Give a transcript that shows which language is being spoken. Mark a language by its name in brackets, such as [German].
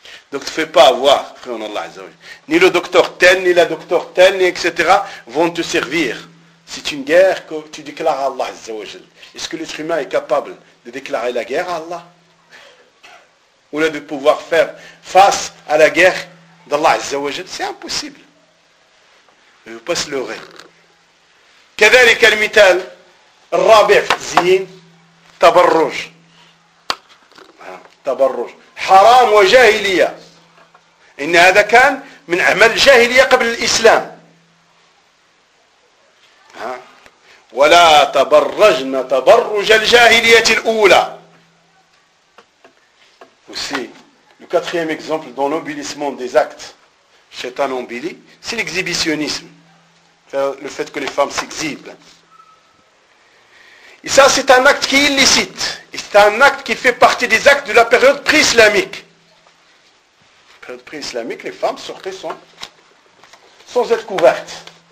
[French] Donc, ne fais pas avoir, frère en Allah, ni le docteur tel, ni la docteur tel, etc., vont te servir. C'est une guerre que tu déclares à Allah, Azza wa Jal. Est-ce que l'être humain est capable de déclarer la guerre à Allah? Ou là, de pouvoir faire face à la guerre d'Allah, Azza wa Jal? C'est impossible. Il ne faut pas se leurrer. [Arabic] كذلك المثال الرابع في الزين تبرج تبرج حرام وجاهلية إن هذا كان من أعمال الجاهلية قبل الإسلام ولا تبرجنا تبرج الجاهلية الأولى [French] aussi le quatrième exemple dans l'embellissement des actes c'est un embelli c'est l'exhibitionnisme. Le fait que les femmes s'exhibent. Et ça, c'est un acte qui est illicite. Et c'est un acte qui fait partie des actes de la période pré-islamique. La période pré-islamique, les femmes sortaient sans être couvertes.